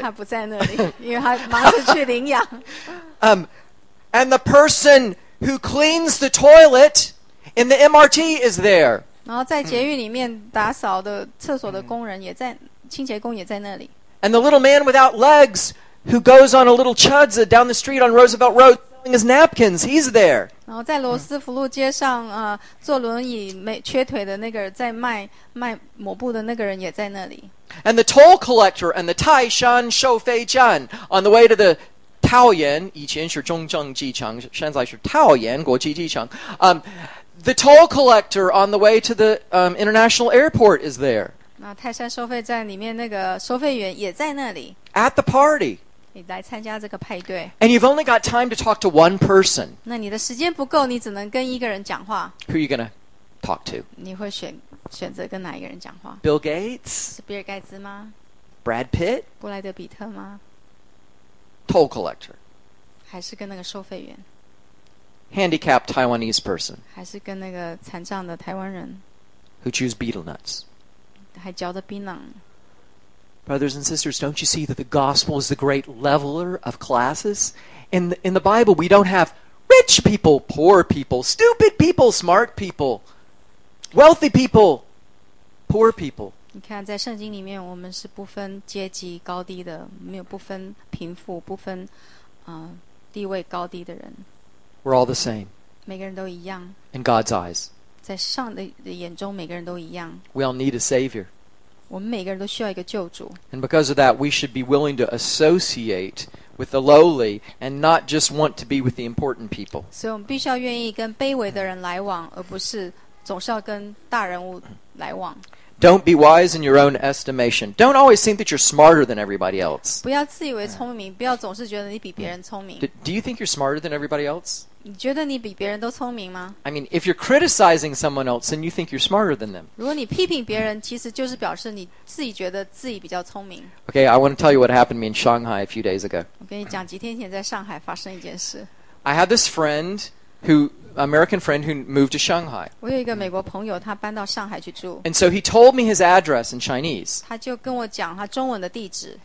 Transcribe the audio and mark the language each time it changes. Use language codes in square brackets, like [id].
[zh] 她不在那里，因为她忙着去领养。 [en] And the person who cleans the toilet in the MRT is there. [zh] 然后在捷运里面打扫的厕所的工人也在，清洁工也在那里。 [en] And the little man without legs who goes on a little chudza down the street on Roosevelt Road. His napkins, he's there. [zh] 然后在罗斯福路街上，坐轮椅没缺腿的那个在卖抹布的那个人也在那里。 [en] And the toll collector and the Taishan Shoufei Zhan on the way to the Taoyuan, [zh] 以前是中正机场，现在是桃园国际机场。 [en] The toll collector on the way to the international airport is there. [zh] 那泰山收费站里面那个收费员也在那里。 [en] At the party. [zh] 你来参加这个派对 [en] And you've only got time to talk to one person [zh] 那你的时间不够你只能跟一个人讲话 [en] Who are you going to talk to? [zh] 你会选择跟哪一个人讲话 [en] Bill Gates? [zh] 是比尔盖茨吗 [en] Brad Pitt? [zh] 布莱德比特吗 [en] Toll collector [zh] 还是跟那个收费员 [en] handicapped Taiwanese person? [zh] 还是跟那个残障的台湾人? [en] Who chews betel nuts? [zh] 还嚼着槟榔。 [en] Brothers and sisters, don't you see that the gospel is the great leveler of classes? In the Bible, we don't have rich people, poor people, stupid people, smart people, wealthy people, poor people. [zh] 你看在圣经里面我们是不分阶级高低的，没有不分贫富，不分地位高低的人。 [en] We're all the same. [zh] 每个人都一样。 [en] In God's eyes. [zh] 在上帝的眼中每个人都一样。 [en] We all need a savior. [zh] 我们每个人都需要一个救主。 [en] And because of that, we should be willing to associate with the lowly and not just want to be with the important people. [zh] 所以我们必须要愿意跟卑微的人来往，而不是总是要跟大人物来往。 [en] Don't be wise in your own estimation. Don't always think that you're smarter than everybody else. [zh] 不要自以为聪明，不要总是觉得你比别人聪明。 [en] Do you think you're smarter than everybody else? [zh] 你觉得你比别人都聪明吗? [en] I mean, if you're criticizing someone else, then you think you're smarter than them. [zh] 如果你批评别人，其实就是表示你自己觉得自己比较聪明。 [en] Okay, I want to tell you what happened to me in Shanghai a few days ago. [zh] 我跟你讲，几天前在上海发生一件事。 [en] I had this friend who... American friend who moved to Shanghai. [zh] 我有一个美国朋友，他搬到上海去住。 [en] And so he told me his address in Chinese. [zh] 他就跟我讲他中文的地址。